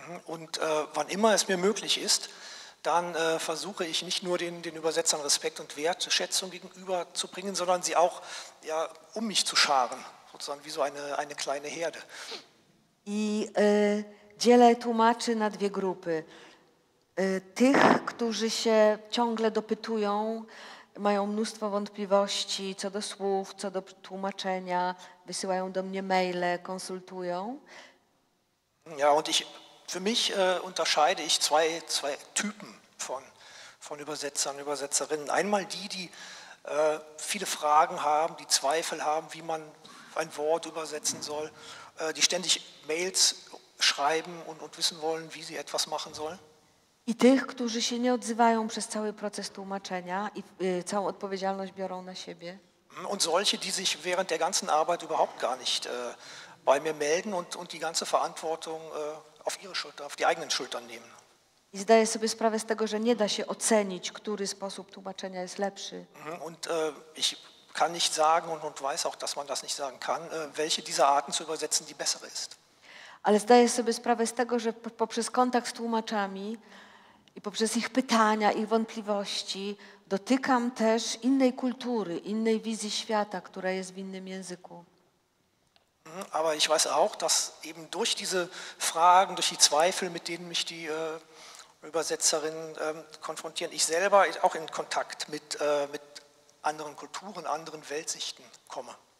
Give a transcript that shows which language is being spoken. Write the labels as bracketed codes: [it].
[de] Und wann immer es mir möglich ist, dann versuche ich nicht nur den Übersetzern Respekt und Wertschätzung gegenüber zu bringen, sondern sie auch ja, um mich zu scharen, sozusagen wie so eine kleine Herde. [pl] I dzielę tłumaczy na dwie grupy. Tych, którzy się ciągle dopytują, mają mnóstwo wątpliwości co do słów, co do tłumaczenia, wysyłają do mnie maile, konsultują. [de] Ja, und ich, für mich unterscheide ich zwei Typen von Übersetzern, Übersetzerinnen. Einmal die viele Fragen haben, die Zweifel haben, wie man ein Wort übersetzen soll, die ständig Mails schreiben und wissen wollen, wie sie etwas machen sollen. [pl] I tych, którzy się nie odzywają przez cały proces tłumaczenia i całą odpowiedzialność biorą na siebie. [de] Und solche, die sich während der ganzen Arbeit überhaupt gar nicht bei mir melden und die ganze Verantwortung auf ihre Schulter, auf die eigenen Schultern nehmen. [pl] I zdaję sobie sprawę z tego, że nie da się ocenić, który sposób tłumaczenia jest lepszy. [de] Und ich kann nicht sagen und weiß auch, dass man das nicht sagen kann, welche dieser Arten zu übersetzen die bessere ist. [pl] Ale zdaję sobie sprawę z tego, że poprzez kontakt z tłumaczami i poprzez ich pytania, ich wątpliwości dotykam też innej kultury, innej wizji świata, która jest w innym języku. [de] Aber ich weiß auch, dass eben durch diese Fragen, durch die Zweifel, mit denen mich die Übersetzerinnen konfrontieren, ich selber auch in Kontakt mit anderen Kulturen, anderen Weltsichten komme.